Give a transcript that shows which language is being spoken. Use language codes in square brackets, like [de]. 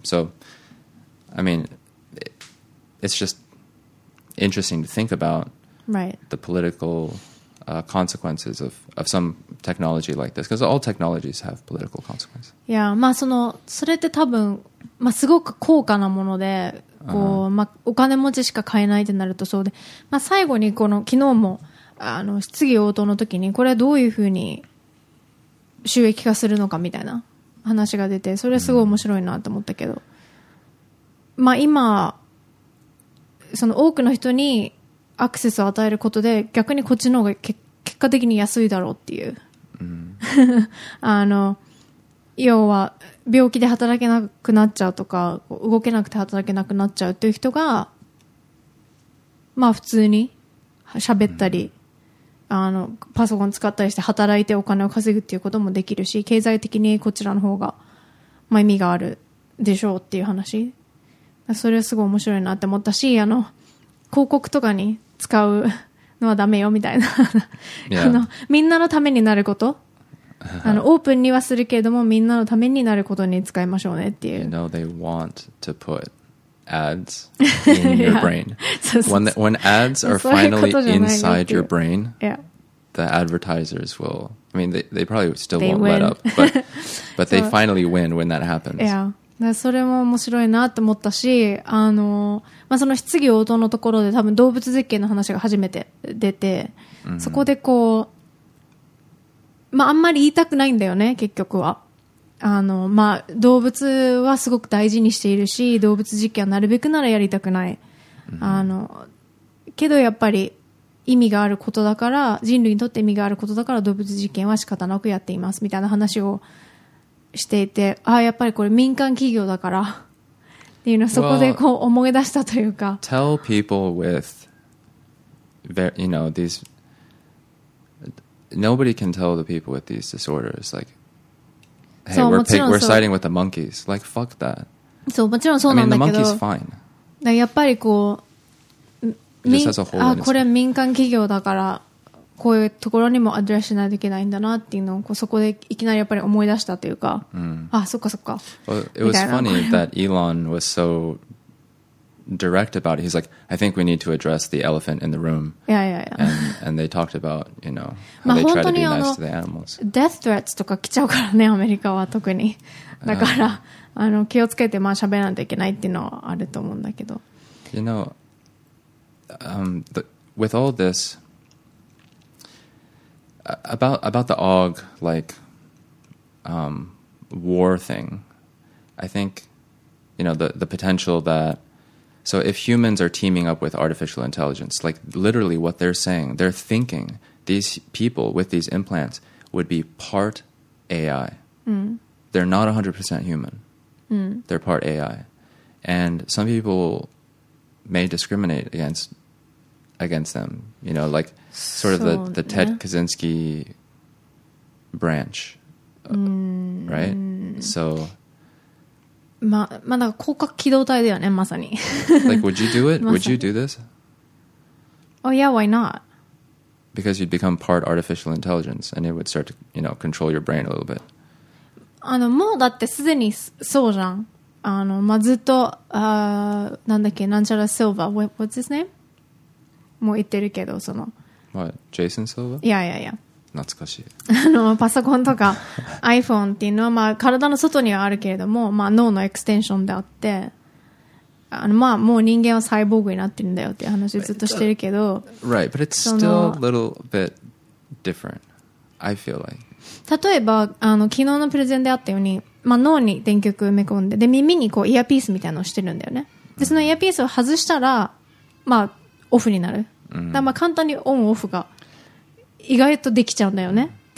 [en] So, I mean, it's just interesting to think about the political consequences of some technology like this, because all technologies have political consequences. [ja] Yeah, まあそれって多分、まあ、すごく高価なもので、こう、uh-huh. まあ、お金持ちしか買えないってなるとそうで、まあ、最後にこの昨日もあの質疑応答の時にこれどういうふうに収益化するのかみたいな話が出て、それすごい面白いなと思ったけど、まあ、今その多くの人にアクセスを与えることで逆にこっちの方が結果的に安いだろうっていう、あの要は病気で働けなくなっちゃうとか動けなくて働けなくなっちゃうっていう人がまあ普通に喋ったり、あのパソコン使ったりして働いてお金を稼ぐっていうこともできるし、経済的にこちらの方がまあ意味があるでしょうっていう話、それはすごい面白いなって思ったし、あの広告とかに使うのはダメよみたいな、 [en] yeah. [ja] のみんなのためになること、あのオープンにはするけれどもみんなのためになることに使いましょうねっていう。 [en] You know they want to put ads in your brain. when ads are finally inside your brain, the advertisers will. I mean, they probably still won't let up, but they finally win when that happens. Yeah. [ja] それも面白いなと思ったし、あの、まあ、その質疑応答のところで多分動物実験の話が初めて出て、そこでこう、まあ、あんまり言いたくないんだよね結局は、あの、まあ、動物はすごく大事にしているし、動物実験はなるべくならやりたくない、あの、けどやっぱり意味があることだから、人類にとって意味があることだから動物実験は仕方なくやっていますみたいな話をしていて、ああやっぱりこれ民間企業だからっていうのをそこでこう思い出したというか。 [en] Well, tell people with, you know, these. Nobody can tell the people with these disorders like, hey, we're siding with the monkeys. Like, fuck that. [ja] そうもちろんそうなんだけど。 [en] I mean, the monkey's fine. [ja] やっぱりこう、 [en] 民 just has a hole in [ja] あこれ民間企業だから。こういうところにもアドレスしないといけないんだなっていうのをこうそこでいきなりやっぱり思い出したというか、うん、あそっかそっか。 [en] Well, it was funny that Elon was so direct about it. He's like, I think we need to address the elephant in the room. Yeah, yeah, yeah. And they talked about, you know, how they try to be nice to the animals. Death threats [ja] とか来ちゃうからね、アメリカは特に。だから、あの気をつけてまあ喋らないといけないっていうのはあると思うんだけど。 [en] You know, with all this,About the Og, like, war thing, I think, you know, the potential that... So if humans are teaming up with artificial intelligence, like, literally what they're saying, they're thinking these people with these implants would be part AI. Mm. They're not 100% human. Mm. They're part AI. And some people may discriminate against them, you know, like... Sort of the Ted Kaczynski branch, right? So, [ja] まだ攻殻機動隊だよね、まさに。 [en] Like, would you do it? Would you do this? Oh yeah, why not? Because you'd become part artificial intelligence, and it would start to, you know, control your brain a little bit. [ja] あのもうだってすでにそうじゃん。あのまずっとなんだっけ、なんちゃらシルバー、 [en] What's his name? [ja] もう言ってるけどその。 [en] What, Jason Silva? Yeah, yeah, yeah. [ja] 懐かしい。あのパソコンとか iPhone っていうのはまあ体の外にはあるけれども、まあ脳のエクステンションであって、あのまあもう人間はサイボーグになってるんだよっていう話をずっとしてるけど、 [en] Right, but it's still a little bit different. I feel like. [ja] 例えばあの昨日のプレゼンであったように、まあ脳に電極埋め込んで、で耳にこうイヤピースみたいなのをしてるんだよね。でそのイヤピースを外したら、まあオフになる。だまあ簡単にオンオフが意外とできちゃうんだよね。